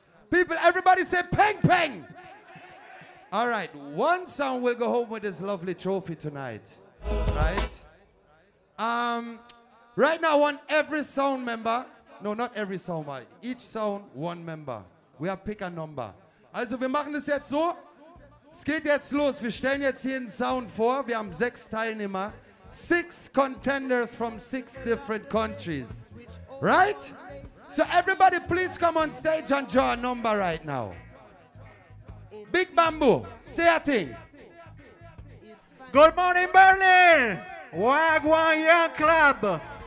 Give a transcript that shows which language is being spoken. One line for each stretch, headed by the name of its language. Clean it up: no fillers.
English: People, everybody say peng peng. All right, one song will go home with this lovely trophy tonight. Right? Right now, I want every sound member. No, not every sound, but each sound, one member. We have pick a number.
German: Also, wir machen das jetzt so. Es geht jetzt los. Wir stellen jetzt jeden Sound vor. Wir haben 6 Teilnehmer.
English: 6 contenders from 6 different countries, right? So everybody please come on stage and draw a number right now. Big Bamboo, say a thing. Good morning, Berlin! Wagwan Young Club!